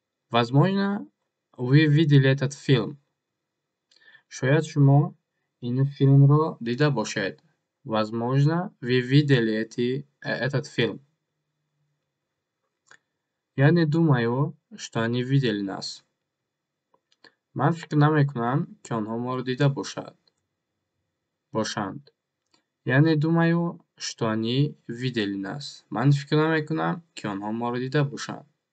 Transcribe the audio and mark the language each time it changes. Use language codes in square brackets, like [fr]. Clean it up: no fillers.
[ru] Возможно, вы видели этот фильм. [tg] Шоят шумо ин фильм ро дида бошед. [ru] Возможно, вы видели этот фильм. Я не думаю, что они видели нас. [tg] Ман фикр намекунам, ки онҳо моро дида бошанд. [ru] Я не думаю, что они видели нас. [tg] Ман фикр намекунам, ки онҳо моро дида бошанд.